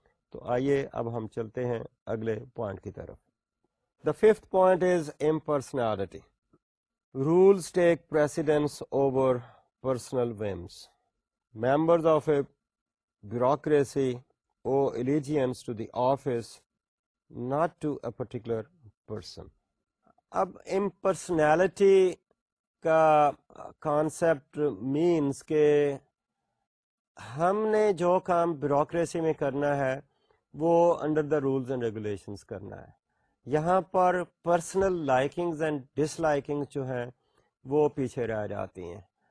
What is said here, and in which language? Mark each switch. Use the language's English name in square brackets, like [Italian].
[Urdu] تو آئیے اب ہم چلتے ہیں اگلے پوائنٹ کی طرف. [English] The fifth point is impersonality. Rules take precedence over personal whims. Members of a bureaucracy owe allegiance to the office not to a particular person. [Urdu] اب امپرسنالٹی کا کانسیپٹ مینس کہ ہم نے جو کام بیوروکریسی میں کرنا ہے وہ under the rules and regulations کرنا ہے. یہاں پر personal likings and dish likings جو ہیں وہ پیچھے رہ جاتی ہیں.